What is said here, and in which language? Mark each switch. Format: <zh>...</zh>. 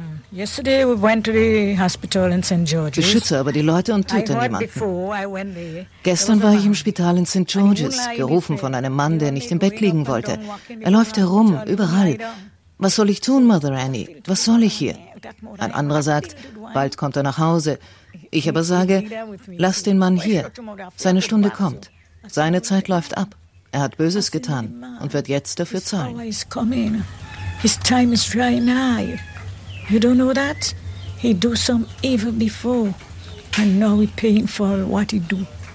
<en>Yesterday we went to the hospital in St. George's.</en> <de>Beschütze aber die Leute und töte niemanden. Gestern war ich im Spital in St. George's, gerufen von einem Mann, der nicht im Bett liegen wollte. Er läuft herum, überall. Was soll ich tun, Mother Annie? Was soll ich hier? Ein anderer sagt, bald kommt er nach Hause. Ich aber sage, lass den Mann hier. Seine Stunde kommt. Seine Zeit läuft ab. Er hat Böses getan und wird jetzt dafür zahlen.</de> <en>His time is right now. You don't know that? He do some evil before, and now he paying for what he do.</en>